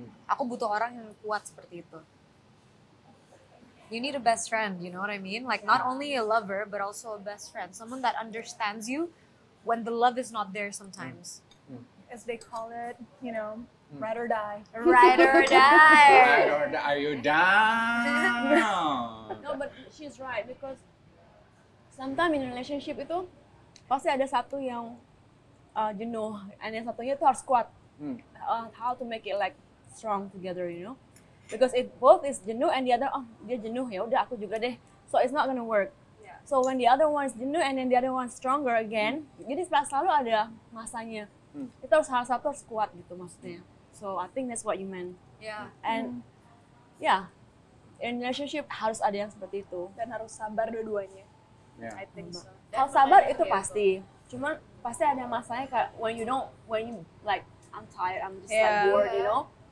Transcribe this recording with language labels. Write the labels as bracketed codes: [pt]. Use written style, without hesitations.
[id] Aku butuh orang yang kuat seperti itu. [en] You need a best friend, you know what I mean? Like, not only a lover, but also a best friend. Someone that understands you when the love is not there sometimes. As they call it, you know, ride or die. Ride or die! Ride or die, are you down? No, but she's right, because sometimes in relationship [id] itu, pasti ada satu yang jenuh, [en] and [id] yang satunya itu harus kuat. [en] How to make it like strong together, you know? Because if both is jenuh and the other, oh, [id] dia jenuh, ya udah aku juga deh. [en] So it's not gonna work. Yeah. So when the other one is jenuh and then the other one stronger again, [id] jadi selalu ada masanya. Itu harus salah satu harus kuat gitu maksudnya. [en] So I think that's what you meant. Yeah. And yeah, in relationship [id] harus ada yang seperti itu. Dan harus sabar dua-duanya. [en] Yeah. I think so. [id] Kalau sabar itu pasti. Cuman pasti ada masanya kayak [en] when you don't, when you like, I'm tired, I'm just like bored, you know?